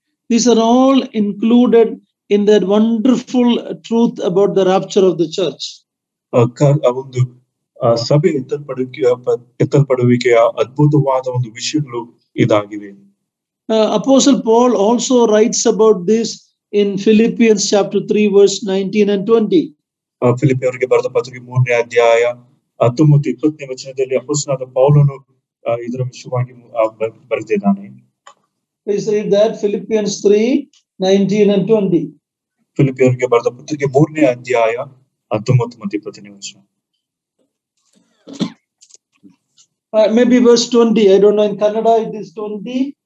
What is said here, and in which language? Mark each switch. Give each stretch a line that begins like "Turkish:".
English: These are all included in that wonderful truth about the rapture of the church.
Kannada: ಒಂದು ಸಭೆ ಎತ್ತಲ್ಪಡುವಿಕೆಯ ಅದ್ಭುತವಾದ ಒಂದು ವಿಷಯಗಳು ಇದಾಗಿವೆ.
English: Apostle Paul also writes about this in Philippians chapter 3 verse 19 and 20.
Kannada: ಫಿಲಿಪ್ಪಿಯವರಿಗೆ ಬರೆದ ಪತ್ರಿಕೆ 3ನೇ ಅಧ್ಯಾಯ 19-20 ವಚನದಲ್ಲಿ ಅಪೊಸ್ತಲನಾದ ಪೌಲನು ಇದರ ವಿಷಯವಾಗಿ ಬರೆದಿದ್ದಾನೆ.
English: Philippians 3 19 and 20.
Kannada: ಫಿಲಿಪ್ಪಿಯವರಿಗೆ ಬರೆದ ಪತ್ರಿಕೆ 3ನೇ ಅಧ್ಯಾಯ 19-20 ವಚನ.
English: Maybe verse 20, I don't know, in Kannada it is 20.